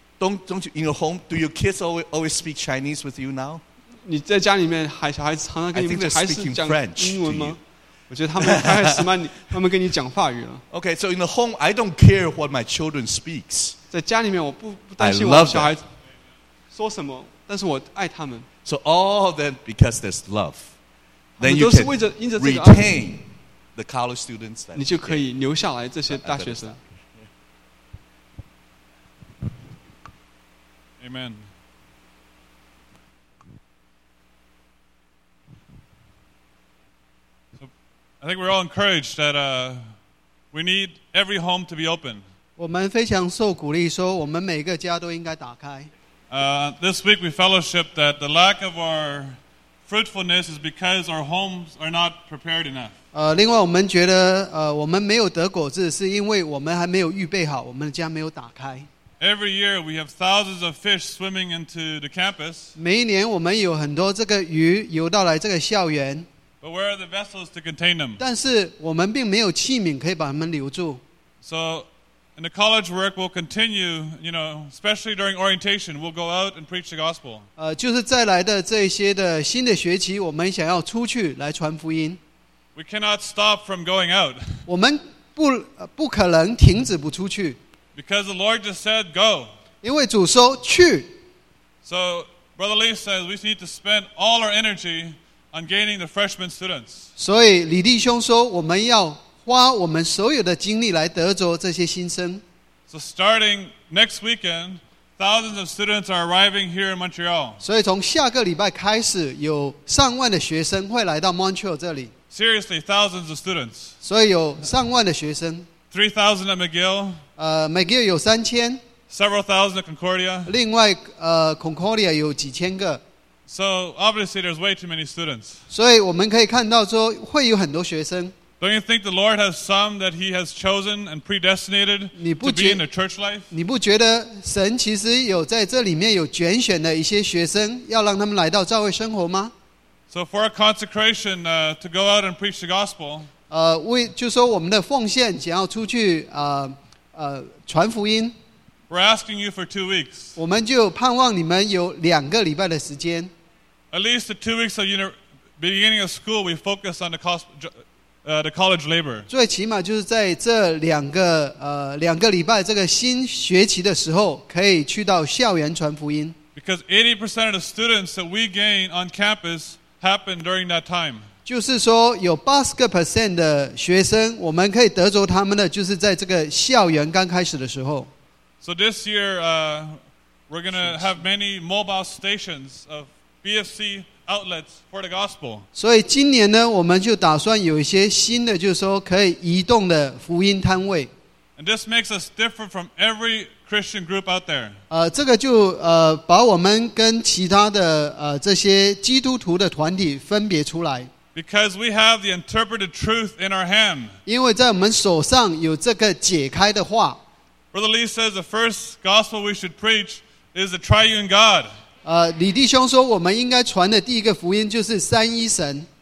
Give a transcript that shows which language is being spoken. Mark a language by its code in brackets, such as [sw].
[en] Don't you, in a home, do your kids always speak Chinese with you now? [zh] 你在家里面还, 小孩子常常跟你们, [en] I think they're speaking [zh] 还是讲英文吗? [en] French to you. [zh] 我觉得他们开始慢, 他们跟你讲话语了。 [en] Okay, so in the home, I don't care what my children speaks. [zh] 在家里面我不担心我小孩说什么。但是我爱他们。 [en] So all of them because there's love. Then you can retain the college students. [zh] 你就可以留下来这些大学生。 [en] Amen. So I think we're all encouraged that we need every home to be open. [zh] 我们非常受鼓励，说我们每个家都应该打开。 [en] This week we fellowshiped that the lack of our fruitfulness is because our homes are not prepared enough. [zh] 另外我们觉得我们没有得果子，是因为我们还没有预备好，我们的家没有打开。 [en] Every year we have thousands of fish swimming into the campus. [zh] 每一年我们有很多这个鱼游到来这个校园。 [en] But where are the vessels to contain them? [zh] 但是我们并没有器皿可以把它们留住。 [en] So in the college work we'll continue, you know, especially during orientation, we'll go out and preach the gospel. [zh] 就是再来的这些的新的学期，我们想要出去来传福音。 [en] We cannot stop from going out. [zh] 我们不可能停止不出去。 [en] Because the Lord just said, go. [zh] 因为主说去。 [en] So, Brother Lee says, we need to spend all our energy on gaining the freshman students. [zh] 所以李弟兄说，我们要花我们所有的精力来得着这些新生。 [en] So starting next weekend, thousands of students are arriving here in Montreal. [zh] 所以从下个礼拜开始，有上万的学生会来到 Montreal 这里。 [en] Seriously, thousands of students. [zh] 所以有上万的学生。 [en] 3,000 at McGill. [zh] McGill 有三千。 [en] Several thousand at Concordia. [zh] 另外Concordia 有几千个。 [en] So obviously there's way too many students. [zh] 所以我们可以看到说会有很多学生。 [en] Don't you think the Lord has some that he has chosen and predestinated to be in the church life? [zh] 你不觉得神其实有在这里面有拣选的一些学生要让他们来到教会生活吗？ [en] So for a consecration to go out and preach the gospel, [zh] 为就说我们的奉献想要出去传福音。 [en] We're asking you for 2 weeks. [zh] 我们就盼望你们有两个礼拜的时间。 [en] At least the 2 weeks of beginning of school, we focus on the college labor. [zh] 最起码就是在这两个礼拜这个新学期的时候，可以去到校园传福音。 [en] Because 80% of the students that we gain on campus happen during that time. [zh] 就是说有80%的学生，我们可以得着他们的，就是在这个校园刚开始的时候。 [en] So this year, we're going to have many mobile stations of BFC outlets for the gospel. [zh] 所以今年呢，我们就打算有一些新的，就是说可以移动的福音摊位。 [en] And this makes us different from every Christian group out there. [zh] 这个就把我们跟其他的这些基督徒的团体分别出来。 [en] Because we have the interpreted truth in our hand. [zh] 因为在我们手上有这个解开的话。 [en] Brother Lee says the first gospel we should preach is the triune God. [zh] 李弟兄说我们应该传的第一个福音就是三一神。